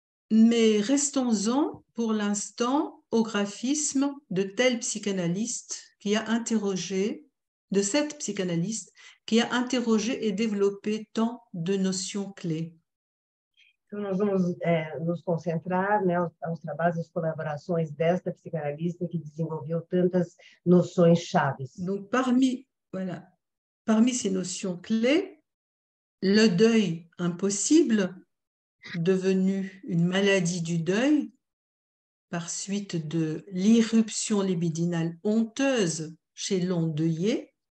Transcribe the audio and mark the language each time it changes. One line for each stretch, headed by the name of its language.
French: Mais restons-en pour l'instant au graphisme de tel psychanalyste qui a interrogé, de cette psychanalyste qui a interrogé et développé tant de notions clés.
Portuguese: Então, nós vamos nos concentrar, né, aos trabalhos, às colaborações desta psicanalista que desenvolveu tantas noções chaves.
French: Donc, parmi, voilà, parmi ces notions clés, le deuil impossible, devenu une maladie du deuil, par suite de l'irruption libidinale honteuse chez l'endeuillé.